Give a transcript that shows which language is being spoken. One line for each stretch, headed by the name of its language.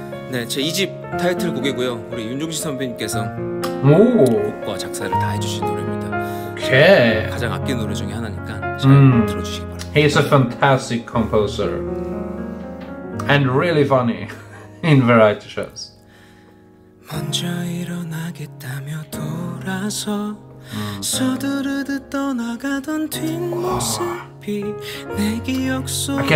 Korean: 네, 제 2집 타이틀 곡이고요. 우리 윤종신 선배님께서 오! 곡과 작사를 다 해주신 노래입니다. 그렇게 가장 악기 노래 중에 하나니까 잘 들어주시기 바랍니다.
English: He's a fantastic composer and really funny in variety shows.
Korean: 먼저 일어나겠다며 돌아서 서두르듯 떠나가던 뒷모습이 내 기억 속에